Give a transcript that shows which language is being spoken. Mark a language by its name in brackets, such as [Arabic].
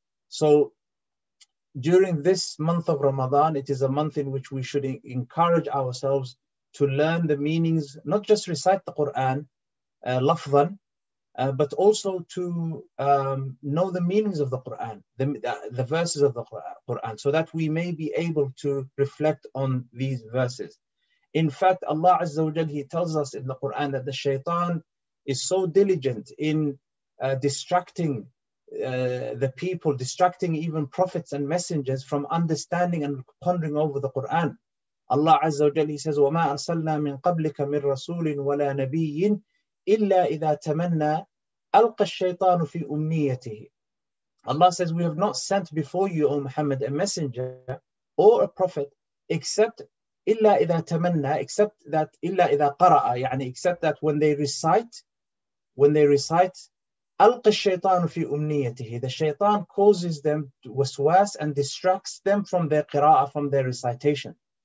[English] So during this month of Ramadan, it is a month in which we should encourage ourselves to learn the meanings, not just recite the Quran, lafzan, but also to know the meanings of the Quran, the verses of the Quran, so that we may be able to reflect on these verses. In fact, Allah Azza wa Jalla, He tells us in the Quran that the shaitan is so diligent in distracting the people, distracting even prophets and messengers from understanding and pondering over the Quran. Allah Azza wa Jalla, He says, [Arabic] وَمَا أَرْسَلْنَا مِنْ قَبْلِكَ مِنْ رَسُولٍ وَلَا نَبِيٍّ إِلَّا إِذَا تَمَنَّا أَلْقَ الشَّيْطَانُ فِي أُمِّيَّتِهِ. [English] Allah says, we have not sent before you, O Muhammad, a messenger or a prophet, except [Arabic] إِلَّا إِذَا تَمَنَّا, [English] except that [Arabic] إِلَّا إِذَا قَرَأَ, يعني [English] except that when they recite [Arabic] أَلْقَ الشَّيْطَانُ فِي أُمْنِيَّتِهِ, [English] the shaitan causes them to waswas and distracts them from their qira'ah, from their recitation.